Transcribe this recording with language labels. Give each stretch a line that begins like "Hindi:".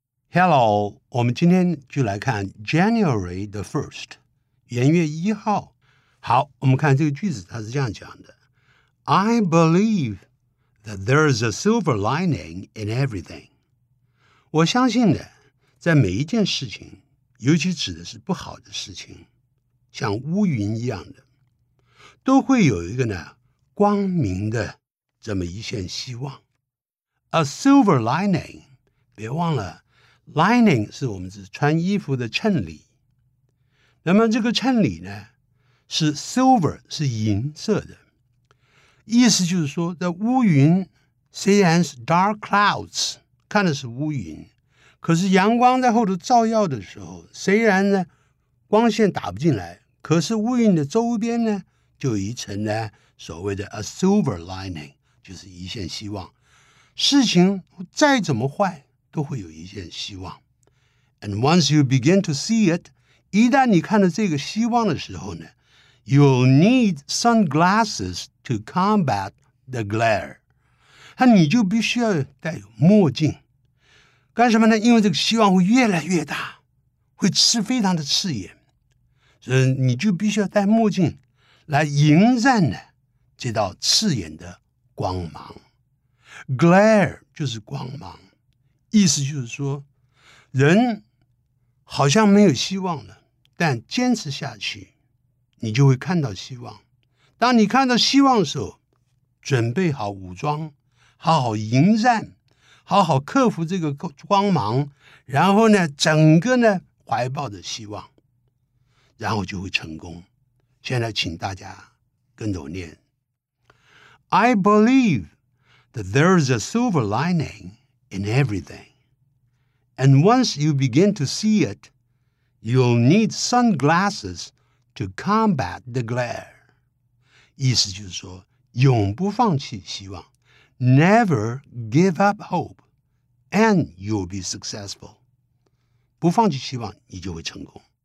Chinese: Hello, 我们今天就来看 January the 1st, 元月一号。好，我们看这个句子，它是这样讲的。
English: I believe that there is a silver lining in everything.
Chinese: 我相信的，在每一件事情，尤其指的是不好的事情，像乌云一样的，都会有一个呢，光明的这么一线希望。 A silver lining, 别忘了Lining 是我们是穿衣服的衬里，那么这个衬里呢是 silver 是银色的，意思就是说在乌云，虽然是 dark clouds 看的是乌云，可是阳光在后头照耀的时候，虽然呢光线打不进来，可是乌云的周边呢就有一层呢所谓的 a silver lining， 就是一线希望，事情再怎么坏都会有一线希望。
English: And once you begin to see it,
Chinese: 一旦你看到这个希望的时候呢，
English: you'll need sunglasses to combat the glare.
Chinese: 那你就必须要戴墨镜。干什么呢？因为这个希望会越来越大，会吃非常的刺眼。所以你就必须要戴墨镜来迎战呢这道刺眼的光芒。 Glare 就是光芒。意思就是说人好像没有希望了，但坚持下去你就会看到希望。当你看到希望的时候，准备好武装，好好迎战，好好克服这个光芒，然后呢整个呢怀抱着希望，然后就会成功。现在请大家跟着我念。
English: I believe that there is a silver lining in everything. And once you begin to see it, you'll need sunglasses to combat the glare.
Chinese: 意思就是说，永不放弃希望，
English: Never give up hope, and you'll be successful.
Chinese: 不放弃希望，你就会成功。